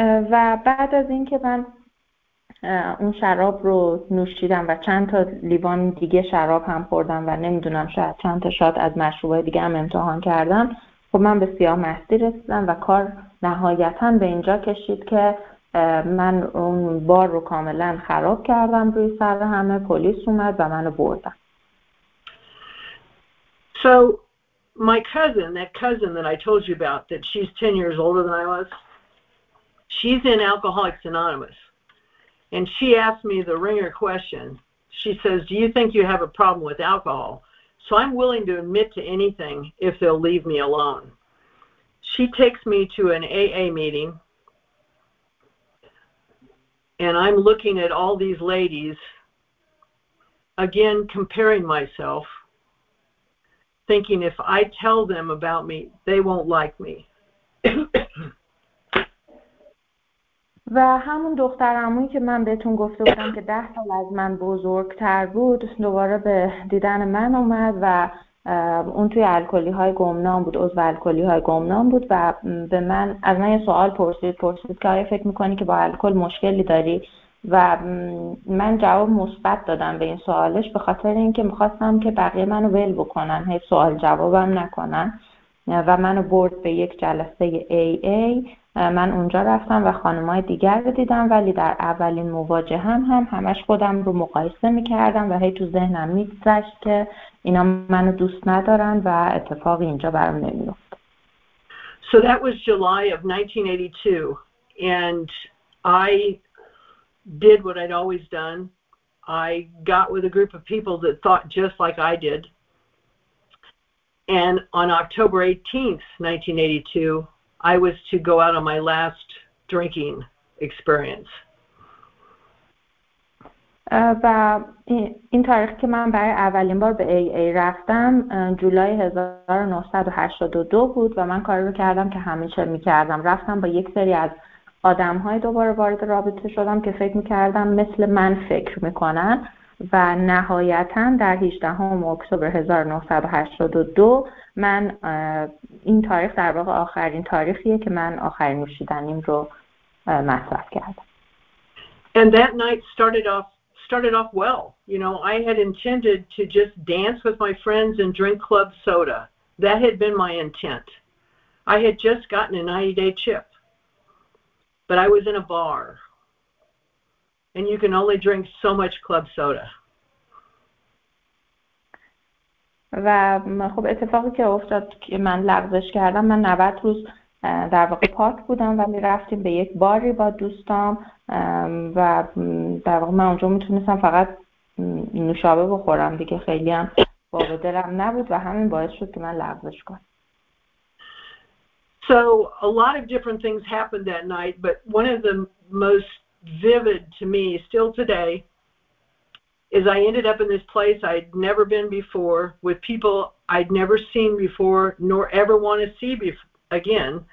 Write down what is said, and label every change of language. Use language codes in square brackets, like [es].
[fa] و بعد از اینکه من اون شراب رو نوشیدم و چند تا لیوان دیگه شراب هم خوردم و نمیدونم شاید چند تا شات از مشروبای دیگه هم امتحان کردم، خب من به سیاه مهدی رسیدم و کار نهایتاً به اینجا کشید که من اون بار رو کاملا خراب کردم روی سر همه، پلیس اومد و منو بردن. [en] So my cousin, that cousin that I told you about, that she's 10 years older than I was, she's in Alcoholics Anonymous. And she asked me the ringer question. She says, do you think you have a problem with alcohol? So I'm willing to admit to anything if they'll leave me alone. She takes me to an AA meeting. And I'm looking at all these ladies, again, comparing myself, thinking if I tell them about me, they won't like me. [fa] و همون دختر عمویی که من بهتون گفته بودم که 10 سال از من بزرگتر بود، دوباره به دیدن من اومد و اون توی الکلی های گمنام بود، عضو الکلی های گمنام بود، و به من از من یه سوال پرسید که آیا فکر میکنی که با الکل مشکلی داری، و من جواب مثبت دادم به این سوالش به خاطر اینکه میخواستم که بقیه منو ول بکنن، هی سوال جوابم نکنن، و منو برد به یک جلسه AA. من اونجا رفتم و خانمای دیگر رو دیدم، ولی در اولین مواجهه هم همش خودم رو مقایسه میکردم و هی تو ذهنم میگذشت که اینا منو دوست ندارن و اتفاقی اینجا برام نمیفته. [en] So that was July of 1982, and I did what I'd always done. I got with a group of people that thought just like I did. And on October 18th, 1982, I was to go out on my last drinking experience. [fa] و این تاریخ که من برای اولین بار به AA رفتم جولای 1982 بود، و من کاری رو کردم که همیشه میکردم، رفتم با یک سری از آدم‌های دوباره وارد رابطه شدم که فکر میکردم مثل من فکر میکنن، و نهایتاً در 18 اکتبر 1982 من این تاریخ در واقع آخرین تاریخیه که من آخرین نوشیدنیم رو مصرف کردم. [en] And that night started off well. You know, I had intended to just dance with my friends and drink club soda. That had been my intent. I had just gotten a 90-day chip. But I was in a bar. and you can only drink so much club soda. [fa] و خب اتفاقی که افتاد که من لغزش کردم، من 90 روز در واقع پارک بودم، ولی رفتیم به یک باری با دوستام و در واقع من اونجا میتونستم فقط نوشابه بخورم دیگه، خیلی هم باب دلم نبود و همین باعث شد که من لغزش کنم. [en] So a lot of different things happened that night, but one of the most vivid to me still today is I ended up in this place I'd never been before with people I'd never seen before nor ever want to see again.